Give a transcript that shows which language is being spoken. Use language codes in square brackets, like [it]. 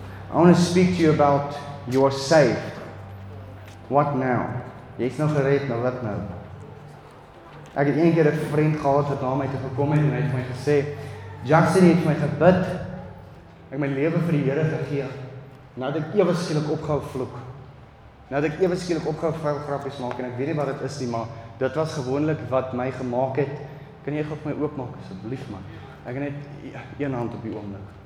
[en] I want to speak to you about you are saved. What now? [af] Jy is nou gered, nou wat nou? Ek het een keer 'n vriend gehad wat na my toe gekom het en hy het my gesê, Jackson, jy het my gebid. Ek my lewe vir die Here gegee. Nou het ek ewe skielik opgehou vloek. Nou het ek ewe skielik opgehou vuil grappies maak en ek weet nie wat dit is nie, maar dit was gewoonlik wat my gemaak het. Kan jy gou my oopmaak asseblief, man? Ek het net een hand op die oomblik.